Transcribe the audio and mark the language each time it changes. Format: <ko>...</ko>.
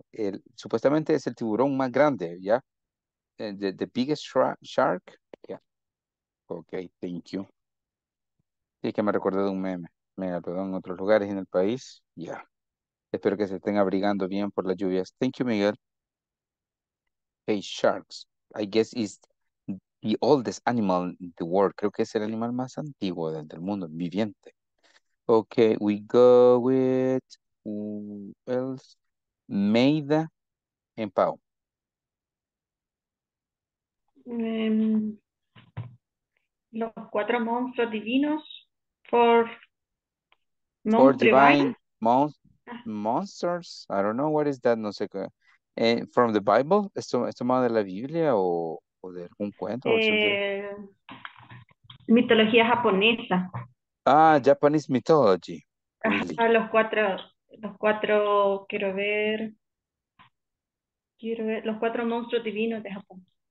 <es>El, supuestamente es el tiburón más grande, ¿ya?</es> <en>Yeah? The biggest shark, yeah. Okay, thank you.</en> <es>Sí, que me recordé de un meme. Megalodon en otros lugares en el país, ya. Yeah. Espero que se estén abrigando bien por las lluvias.</es> <en>Thank you, Miguel. Hey, sharks. I guess it's the oldest animal in the world.</en> <es>Creo que es el animal más antiguo del mundo, viviente.</es> <en>Okay, we go with, who else? Maida and Pau.</en> <es>Los cuatro monstruos divinos.</es> <en>Four divine monsters. I don't know what is that,</en> <es>no sé qué.</es> <en>From the Bible?</en> <es>¿Es tomado de la Biblia o de algún cuento? Mitología japonesa.</es> <en>Ah, Japanese mythology. Really.</en> <es>Ah, los cuatro, quiero ver, los cuatro monstruos divinos de Japón.</es>